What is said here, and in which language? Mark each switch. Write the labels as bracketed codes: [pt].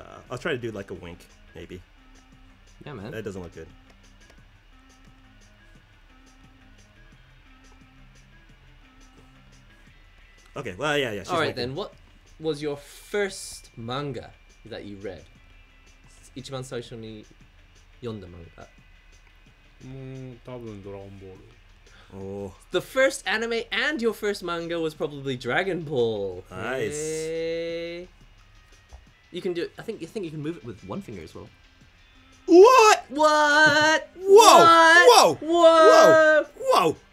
[en] I'll try to do like a wink, maybe. Yeah, man. That doesn't look good. Okay, well, yeah, yeah. Alright then, what was your first manga that you read? [ja] 一番最初に読んだ漫画。多分ドラゴンボール。 [en] Oh. The first anime and your first manga was probably Dragon Ball. Nice. You can do it. I think you can move it with one finger as well. What? What? Whoa! What? Whoa! Whoa! Whoa!